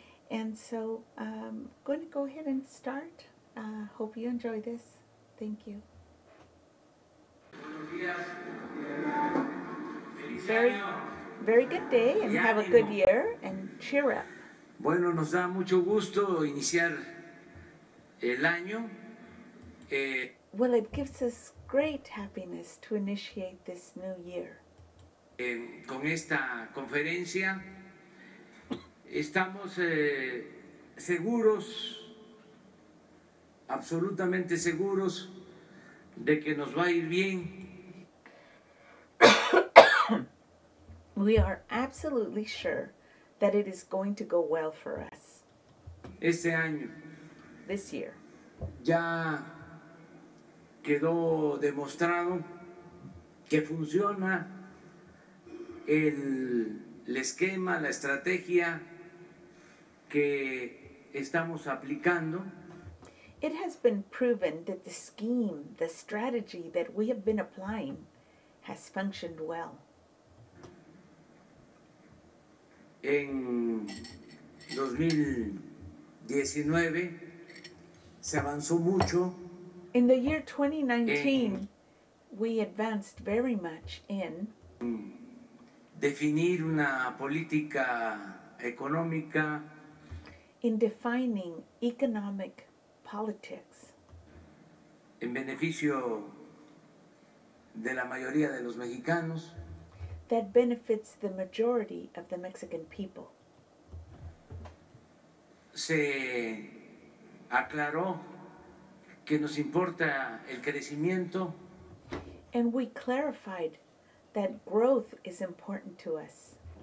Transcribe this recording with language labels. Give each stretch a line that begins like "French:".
English: And so I'm going to go ahead and start. Hope you enjoy this. Thank you. Very, very good day, and have a good year, and cheer up.
Spanish: Bueno, nos da mucho gusto iniciar el año.
English: Well, it gives us great happiness to initiate this new year.
Spanish: Con esta conferencia estamos seguros, absolutamente seguros, de que nos va a ir bien.
English: We are absolutely sure that it is going to go well for us.
Spanish: Este año.
English: This year.
Spanish: Ya quedó demostrado que funciona el esquema, la estrategia que estamos aplicando.
English: It has been proven that the scheme, the strategy that we have been applying has functioned well.
Spanish: En 2019 se avanzó mucho.
English: In the year 2019, we advanced very much in
Spanish: definir una política económica,
English: in defining economic politics,
Spanish: en beneficio de la mayoría de los mexicanos,
English: that benefits the majority of the Mexican people.
Spanish: Se aclaró que nos importa el crecimiento.
English: And we clarified that growth is important to us.